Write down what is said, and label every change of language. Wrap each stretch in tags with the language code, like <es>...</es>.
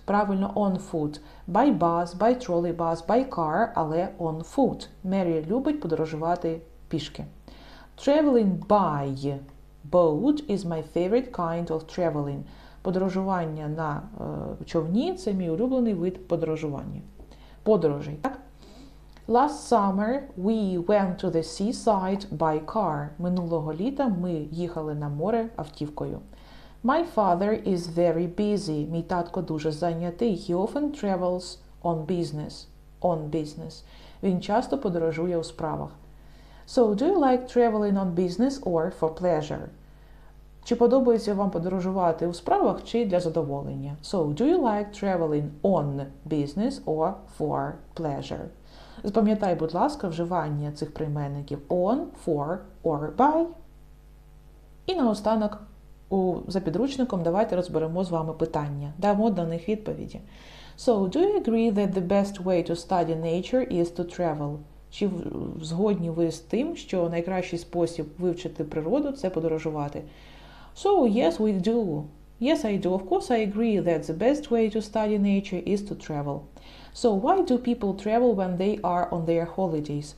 <uk>Правильно,</uk> <en>on foot. By bus, by trolley bus, by car, але on foot.</en> <uk>Mary любить подорожувати пішки.</uk> <en>Traveling by boat is my favorite kind of traveling.</en> <uk>Подорожування на човні – це мій улюблений вид подорожування. Подорожей, так?</uk> <en>Last summer we went to the seaside by car.</en> <uk>Минулого літа ми їхали на море автівкою.</uk> <en>My father is very busy.</en> <uk>Мій татко дуже зайнятий.</uk> <en>He often travels on business. On business.</en> <uk>Він часто подорожує у справах.</uk> <en>So, do you like traveling on business or for pleasure?</en> <uk>Чи подобається вам подорожувати у справах чи для задоволення?</uk> <en>So, do you like traveling on business or for pleasure?</en> <uk>Запам'ятай, будь ласка, вживання цих прийменників on, for, or by. І наостанок, за підручником давайте розберемо з вами питання. Дамо до них відповіді.</uk> <en>So, do you agree that the best way to study nature is to travel?</en> <uk>Чи згодні ви з тим, що найкращий спосіб вивчити природу – це подорожувати?</uk> <en>So, yes, we do. Yes, I do. Of course, I agree that the best way to study nature is to travel. So, why do people travel when they are on their holidays?</en>